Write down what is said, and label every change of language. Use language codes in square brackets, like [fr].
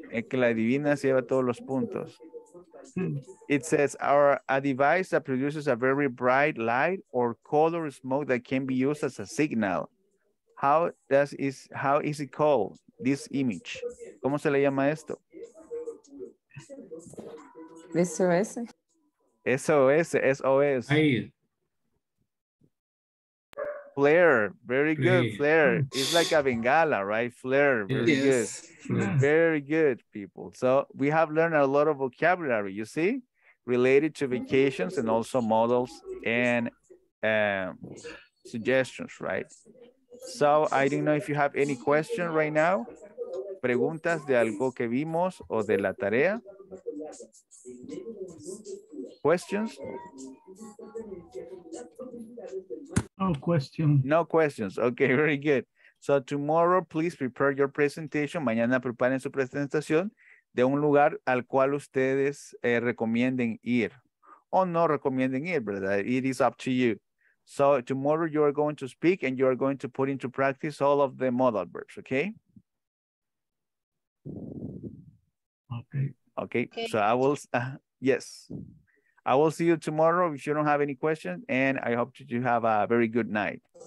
[es] Es que la adivina se lleva todos los puntos. [en] It says, a device that produces a very bright light or color smoke that can be used as a signal. How is it called, this image? [es] ¿Cómo se le llama esto? [en] SOS. SOS, SOS. Flare, very good, flare. It's like a bengala, right? Flare, very yes. good. Very good, people. So we have learned a lot of vocabulary, you see, related to vacations and also models and suggestions, right? So I don't know if you have any question right now. [es] Preguntas de algo que vimos o de la tarea. [en] Questions? No question. No questions. Okay, very good. So tomorrow, please prepare your presentation. [es] Mañana preparen su presentación de un lugar al cual ustedes recomienden ir. O no recomienden ir, ¿verdad? [en] It is up to you. So tomorrow you are going to speak and you are going to put into practice all of the modal verbs, okay? Okay. Okay, so I will, yes. I will see you tomorrow if you don't have any questions, and I hope that you have a very good night.